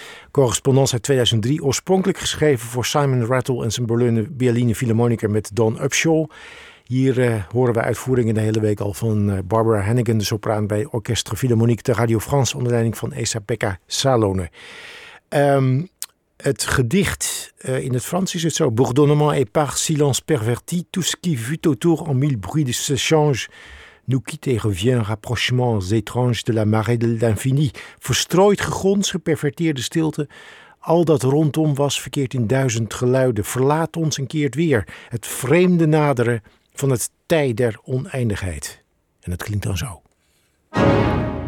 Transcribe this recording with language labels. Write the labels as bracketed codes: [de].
[nl] Correspondance uit 2003, oorspronkelijk geschreven voor Simon Rattle en zijn Berliner Philharmoniker met Don Upshaw. Hier horen we uitvoeringen de hele week al van Barbara Hannigan, de sopraan bij Orchestre Philharmonique de Radio France, onder leiding van Esa-Pekka Salonen. Het gedicht in het Frans is het zo: [fr] Bourdonnement et par silence perverti, tout ce qui fut autour en mille bruits de se change, nous quitte et revient rapprochements étranges de la marée de l'infini. [nl] Verstrooid gegons, geperverteerde stilte. Al dat rondom was verkeert in duizend geluiden. Verlaat ons en keert weer. Het vreemde naderen van het tij der oneindigheid. En het klinkt dan zo. [en] Thank you.